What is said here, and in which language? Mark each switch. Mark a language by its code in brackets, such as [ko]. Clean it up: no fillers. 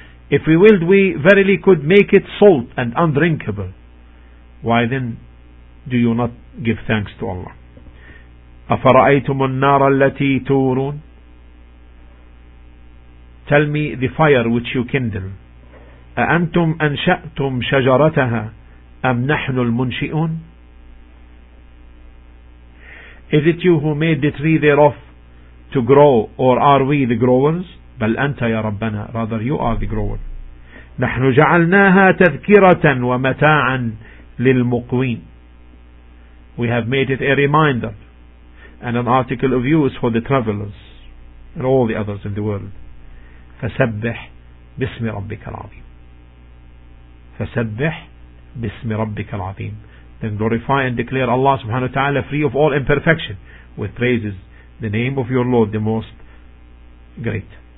[en] If we willed, we verily could make it salt and undrinkable. Why then do you not give thanks to Allah? [ar] أفرأيتم النار التي تورون. [en] Tell me the fire which you kindle. [ar] أأنتم أنشأتم شجرتها؟ أم نحن المنشئون؟ [en] Is it you who made the tree thereof to grow, or are we the growers? [ar] بل أنت يا ربنا. [en] Rather, you are the grower. [ar] نحن جعلناها تذكرة ومتاعا للمقوين. [en] We have made it a reminder and an article of use for the travelers and all the others in the world. [ar] فسبح باسم ربك العظيم. فسبح بسم ربك العظيم. [en] Then glorify and declare Allah subhanahu wa ta'ala free of all imperfection with praises, the name of your Lord, the most great.